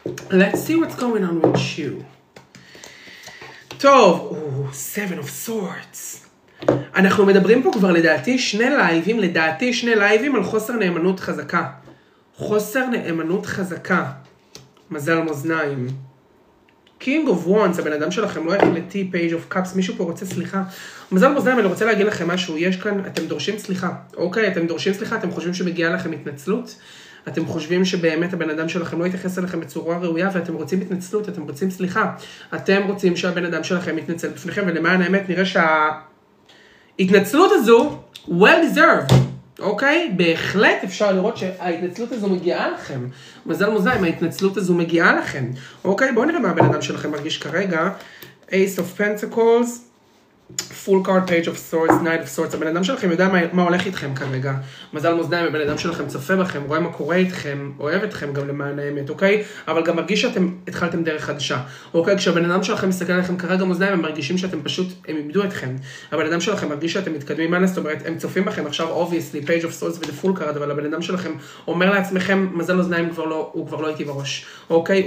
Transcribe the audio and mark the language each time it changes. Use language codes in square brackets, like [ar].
[en] Let's see what's going on with you. [he] טוב, [en] seven of swords. [he] אנחנו מדברים פה כבר לדעתי שני לייבים, לדעתי שני לייבים על חוסר נאמנות חזקה. חוסר נאמנות חזקה. מזל מוזניים. King of Wands, הבן אדם שלכם לא החלטי, Page of Cups, מישהו פה רוצה סליחה. מזל מוזניים, אני רוצה להגיד לכם משהו, יש כאן, אתם דורשים סליחה. אוקיי, אתם דורשים סליחה, אתם חושבים שמגיעה לכם התנצלות? אתם חושבים שבאמת הבן אדם שלכם לא יתייחס אליכם בצורה ראויה, ואתם רוצים התנצלות, אתם רוצים סליחה. אתם רוצים שהבן אדם שלכם יתנצל בפניכם, ולמען האמת נראה שההתנצלות הזו, [en] well deserved. [he] אוקיי? בהחלט אפשר לראות שההתנצלות הזו מגיעה לכם. מזל מוזיים, ההתנצלות הזו מגיעה לכם. אוקיי? בואו נראה מה הבן אדם שלכם מרגיש כרגע. [en] Ace of Pentacles, Full Card, Page of Swords, Knight of Swords. [he] הבן אדם שלכם יודע מה הולך איתכם כרגע. מזל מוזיים, הבן אדם שלכם צופה בכם, רואה מה קורה איתכם, אוהב אתכם גם למען האמת, אוקיי? אבל גם מרגיש שאתם התחלתם דרך חדשה. אוקיי? כשהבן אדם שלכם מסתכל עליכם כרגע מוזיים, הם מרגישים שאתם פשוט, הם איבדו אתכם. הבן אדם שלכם מרגיש שאתם מתקדמים, מה זאת אומרת, הם צופים בכם עכשיו, [en] obviously, [he] Page of Swords with the Full Card, אבל הבן אדם שלכם אומר לעצמכם, מזל מוזיים, הוא כבר לא איתי בראש. אוקיי?